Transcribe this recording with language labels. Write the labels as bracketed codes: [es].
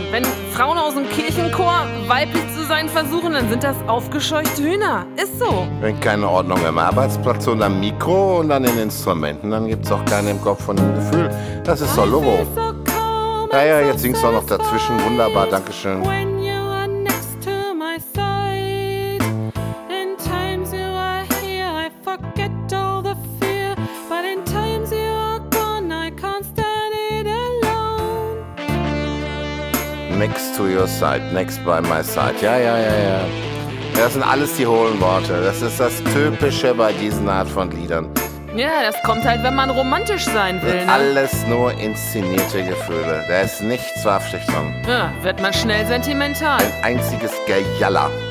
[de] Wenn Frauen aus dem Kirchenchor weiblich zu sein versuchen, dann sind das aufgescheuchte Hühner. Ist so. Wenn keine Ordnung im Arbeitsplatz und am Mikro und an den Instrumenten, dann gibt's auch keinen im Kopf und im Gefühl. Das ist doch Logo. Naja, jetzt singst du auch noch dazwischen. Wunderbar, dankeschön. [en] When you are next to my side, in times you are here, I forget all the fear. But in times you are gone, I can't stand it alone. Next to your side, next by my side. [de] Ja. Das sind alles die hohlen Worte. Das ist das Typische bei diesen Art von Liedern. Ja, das kommt halt, wenn man romantisch sein will, ne? Alles nur inszenierte Gefühle. Da ist nichts wahrhaftig dran. Ja, wird man schnell sentimental. Ein einziges Gejaller.